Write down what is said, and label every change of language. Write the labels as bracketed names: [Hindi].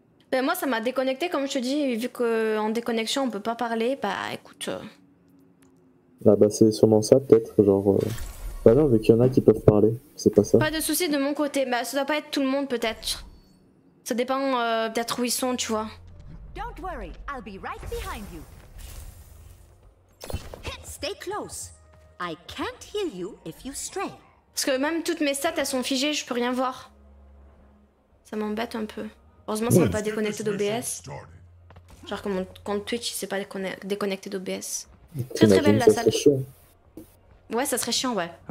[French] Ben moi, ça m'a déconnecté, comme je te dis. Vu qu'en déconnexion, on peut pas parler. Bah écoute. Ah, bah c'est sûrement ça, peut-être. Genre. Bah non, vu qu'il y en a qui peuvent parler. C'est pas ça. Pas de soucis de mon côté. Bah ça doit pas être tout le monde, peut-être. Ça dépend peut-être où ils sont, tu vois. [English] Don't worry, I'll be right behind you. Stay close. I can't heal you if you stray. [French] Parce que même toutes mes stats, elles sont figées, je peux rien voir. Ça m'embête un peu. Heureusement, ça m'a pas déconnecté d'OBS. Genre que mon compte Twitch, il s'est pas déconnecté d'OBS. Très très belle la salle. Ouais, ça serait chiant, ouais.